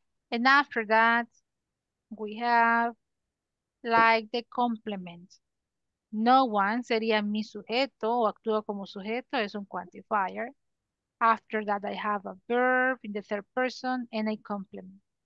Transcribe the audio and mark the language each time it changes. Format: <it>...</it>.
<en>And after that, we have like the complement. No one</en> <es>sería mi sujeto o actúa como sujeto, es un quantifier.</es> <en>After that, I have a verb in the third person and a complement.</en>